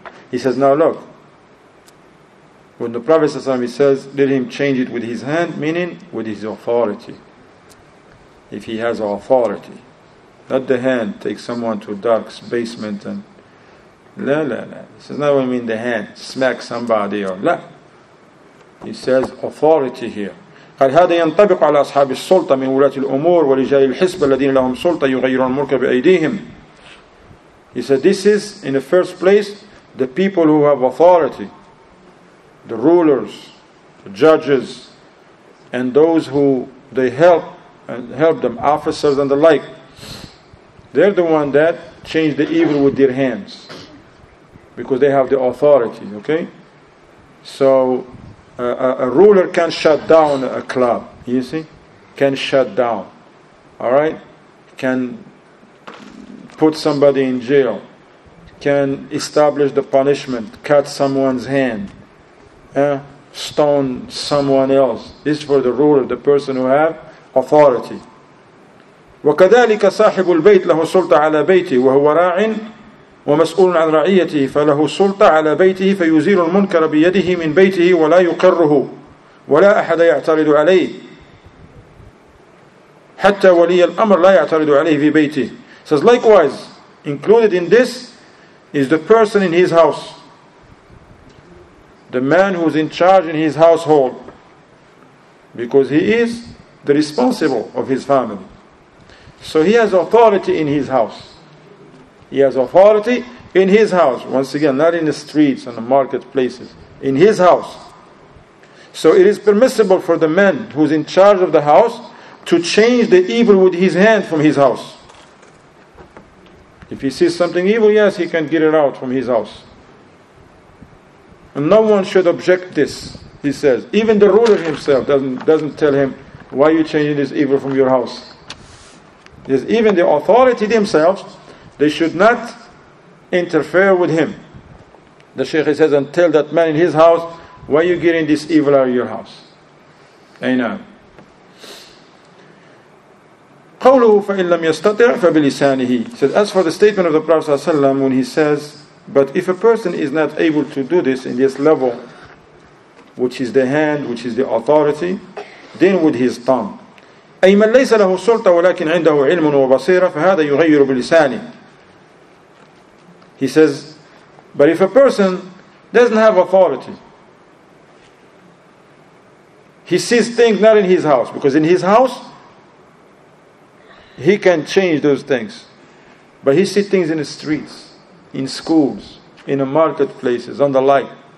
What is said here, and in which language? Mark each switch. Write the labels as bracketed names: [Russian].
[English] He says, now look, when the Prophet ﷺ, he says, let him change it with his hand, meaning with his authority. If he has authority. Not the hand takes someone to a dark basement and la. This is not what I mean, the hand smack somebody or la. He says authority here. [Arabic] قال هذا ينطبق على أصحاب السلطة من ولاة الأمور ورجال الحسبة الذين لهم سلطة يغيرون الملك بأيديهم. [English] He said this is in the first place the people who have authority, the rulers, the judges, and those who they help and help them, officers and the like. They're the one that change the evil with their hands. Because they have the authority, okay? So, a ruler can shut down a club, you see? Can shut down, alright? Can put somebody in jail. Can establish the punishment, cut someone's hand. Stone someone else. This is for the ruler, the person who have authority. [Arabic] وكذلك صاحب البيت له سلطة على بيته وهو راع ومسؤول عن رعيته فله سلطة على بيته فيزيل المنكر بيده من بيته ولا يقره ولا أحد يعترض عليه حتى ولي الأمر لا يعترض عليه في بيته. [English] It says likewise, included in this is the person in his house, the man who's in charge in his household, because he is the responsible of his family. So he has authority in his house. He has authority in his house. Once again, not in the streets and the marketplaces. In his house. So it is permissible for the man who's in charge of the house to change the evil with his hand from his house. If he sees something evil, yes, he can get it out from his house. And no one should object this, he says. Even the ruler himself doesn't tell him, why are you changing this evil from your house? Yes, even the authority themselves, they should not interfere with him. The Sheikh says, and tell that man in his house, why are you getting this evil out of your house? Amen. [Arabic] قوله فإن لم يستطع فبلسانه. [English] He said, as for the statement of the Prophet ﷺ, when he says, but if a person is not able to do this in this level, which is the hand, which is the authority, then with his tongue. [Arabic] أي من ليس له سلطة ولكن عنده علم وبصيرة فهذا يغير بلسانه. [English] He says, but if a person doesn't have authority, he sees things not in his house, because in his house, he can change those things. But he sees things in the streets, in schools, in the marketplaces, on the light.